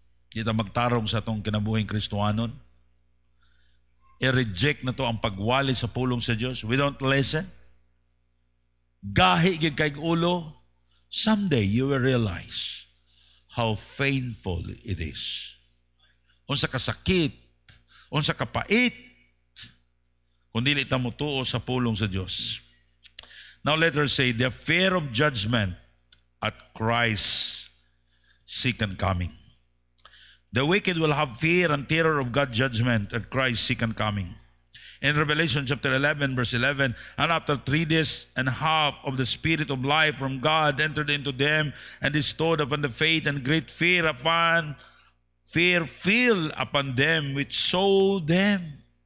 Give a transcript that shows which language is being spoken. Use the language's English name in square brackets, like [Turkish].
[Cebuano] Kita magtarong sa itong kinabuhing Kristuhanon. I-reject na to ang pagwali sa pulong sa Diyos. [English] We don't listen. [Cebuano] Gahi gyud kay ulo. [English] Someday you will realize how painful it is. [Cebuano] Unsa kasakit, unsa kapait, kung dili ta mutuo sa pulong sa Diyos. [English] Now let her say, the fear of judgment at Christ's second coming. The wicked will have fear and terror of God's judgment at Christ's second coming. In Revelation chapter 11, verse 11, and after 3 days and a half of the spirit of life from God entered into them and bestowed upon the faith and great fear upon, fear filled upon them which saw them.